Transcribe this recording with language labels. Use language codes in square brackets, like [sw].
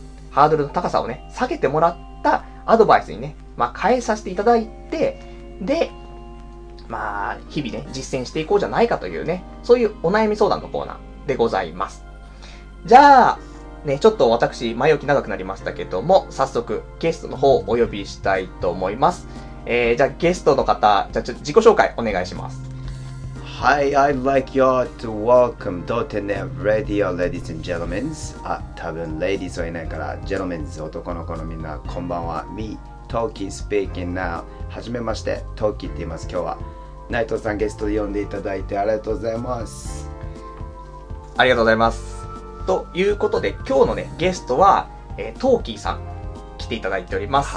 [ja] ハードルの高さをね下げてもらったアドバイスにね、まあ変えさせていただいて、でまあ日々ね実践していこうじゃないかというね、そういうお悩み相談のコーナーでございます。じゃあね、ちょっと私、前置き長くなりましたけども、早速、ゲストの方をお呼びしたいと思います。じゃあ、ゲストの方、じゃあ、ちょっと自己紹介お願いします。 [en] Hi, I'd like you all to welcome Doutei Radio, ladies and gentlemen. [ja] あ、多分、ladies はいないから、gentlemen, 男の子のみんな、こんばんは。 [en] Me, Toki speaking now. [ja] はじめまして、Toki って言います、今日は。内藤さん、ゲストで呼んでいただいてありがとうございます。ありがとうございます。ということで今日のねゲストは、トーキーさん来ていただいております。